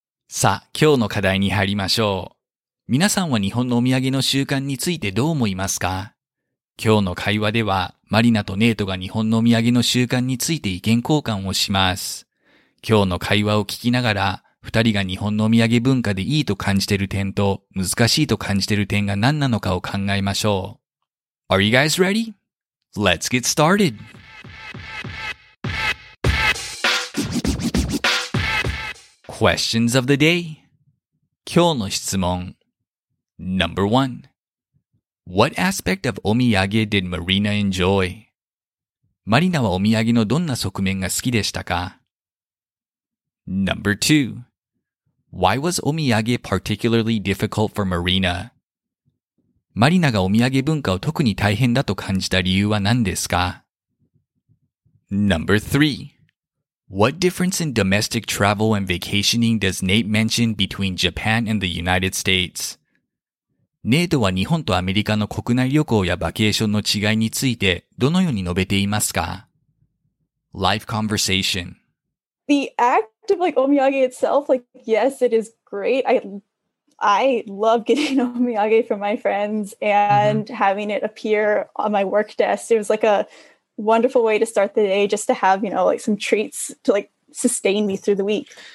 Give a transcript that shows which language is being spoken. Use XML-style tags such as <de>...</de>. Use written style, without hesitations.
<ja>さあ、今日の課題に入りましょう。皆さんは日本のお土産の習慣についてどう思いますか？今日の会話では、マリナとネイトが日本のお土産の習慣について意見交換をします。今日の会話を聞きながら、二人が日本のお土産文化でいいと感じている点と、難しいと感じている点が何なのかを考えましょう。</ja> <en>Are you guys ready? Let's get started! Questions of the day.</en> <ja>今日の質問。</ja> <en>Number one. What aspect of omiyage did Marina enjoy?</en> <ja>マリナはお土産のどんな側面が好きでしたか?</ja> <en>Number 2. Why was omiyage particularly difficult for Marina?</en> <ja>マリナがお土産文化を特に大変だと感じた理由は何ですか?</ja> <en>Number 3. What difference in domestic travel and vacationing does Nate mention between Japan and the United States?</en> <ja>ネイトは日本とアメリカの国内旅行やバケーションの違いについてどのように述べていますか?</ja> <en>Life conversation. The act of like omiyage itself, like yes, it is great. I love getting omiyage from my friends and having it appear on my work desk. It was like a wonderful way to start the day just to have, you know, like some treats to like sustain me through the week.</en>